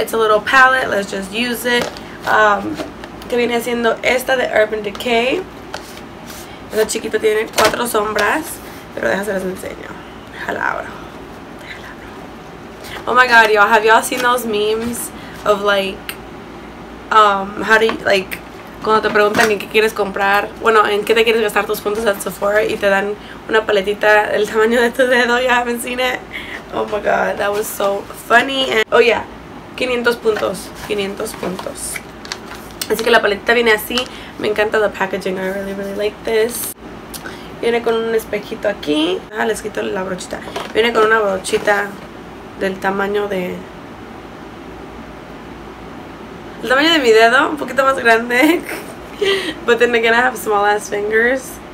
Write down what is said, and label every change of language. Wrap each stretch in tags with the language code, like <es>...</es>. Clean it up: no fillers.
<en>It's a little palette, let's just use it.</en> <es>Que viene siendo esta de Urban Decay. Esta chiquita tiene cuatro sombras, pero déjame se las enseño.</es> <en>Oh my god, y'all, have y'all seen those memes of like, how do you, like,</en> <es>cuando te preguntan en qué quieres comprar, bueno, en qué te quieres gastar tus puntos en Sephora y te dan una paletita del tamaño de tu dedo,</es> <en>you haven't seen it? Oh my god, that was so funny. And, oh yeah,</en> <es>500 puntos, 500 puntos. Así que la paletita viene así, me encanta</es> <en>the packaging, I really, really like this.</en> <es>Viene con un espejito aquí, ah, les quito la brochita. Viene con una brochita del tamaño de... El tamaño de mi dedo, un poquito más grande.</es> <en>But then again, I have small ass fingers.</en>